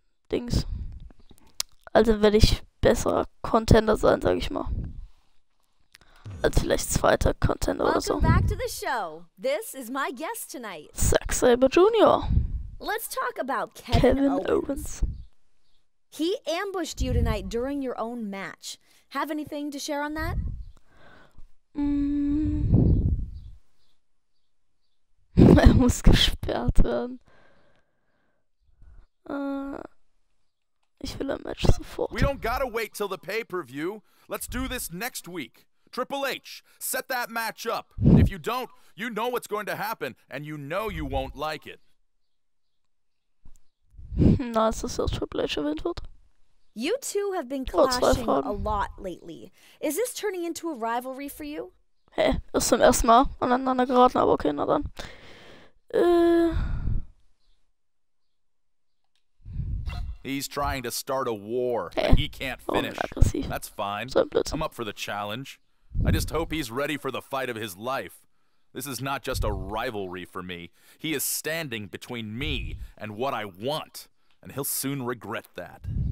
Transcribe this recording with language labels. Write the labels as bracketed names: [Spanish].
[German] Dings. Also werde ich besserer Contender sein, sage ich mal. Als vielleicht zweiter Contender oder so. [English] Welcome back to the show. This is my guest tonight. Zack Sabre Jr. Let's talk about Kevin Owens. He ambushed you tonight during your own match. Have anything to share on that? [German] Er muss gesperrt werden. Ich will ein Match sofort. [English] We don't gotta wait till the pay-per-view. Let's do this next week. Triple H, set that match up. And if you don't, you know what's going to happen, and you know you won't like it. [German] Na, ist das jetzt Triple H erwähnt wird? [English] You two have been clashing a lot lately. Is this turning into a rivalry for you? [German] Hey, wir sind erstmal aneinander geraten, aber okay, na dann. [English] He's trying to start a war, hey, that he can't finish. [German] Aggressiv. [English] That's fine. [German] So ein Blödsinn. [English] I'm up for the challenge. I just hope he's ready for the fight of his life. This is not just a rivalry for me. He is standing between me and what I want. And he'll soon regret that.